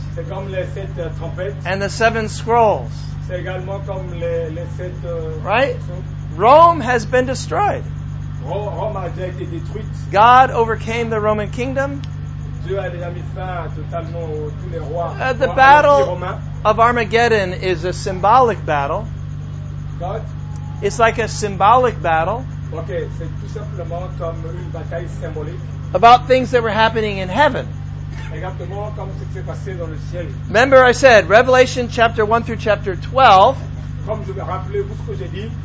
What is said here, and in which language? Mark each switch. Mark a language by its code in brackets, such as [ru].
[fr] C'est comme les sept trompettes. [en] And the seven scrolls. [fr] C'est également comme les sept, [en] right? Rome has been destroyed. [fr] Rome a déjà été détruite. [en] God overcame the Roman kingdom. [fr] Dieu a déjà mis fin totalement à tous les rois. [en] The battle of Armageddon is a symbolic battle. God? It's like a symbolic battle. [fr] Okay, c'est tout simplement comme une bataille symbolique. [en] About things that were happening in heaven. [fr] Exactement comme ce qui s'est passé dans le ciel. [en] Remember I said, Revelation chapter 1 through chapter 12. [fr] Comme je vais rappeler vous ce que j'ai dit.